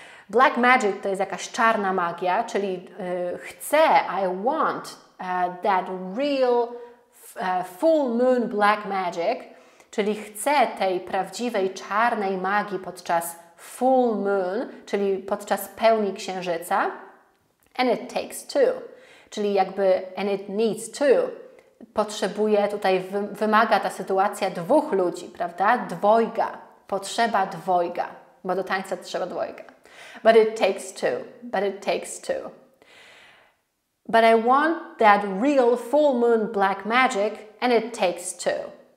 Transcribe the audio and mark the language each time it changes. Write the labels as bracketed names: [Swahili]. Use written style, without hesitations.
[Polish] Black magic to jest jakaś czarna magia, czyli chcę, [English] I want that real full moon black magic, [Polish] czyli chcę tej prawdziwej czarnej magii podczas full moon, czyli podczas pełni księżyca. And it takes two, czyli jakby and it needs two. Potrzebuje tutaj, wymaga ta sytuacja dwóch ludzi, prawda? Dwojga. Potrzeba dwojga, bo do tańca trzeba dwojga. [English] But it takes two. But it takes two. But I want that real full moon black magic and it takes two.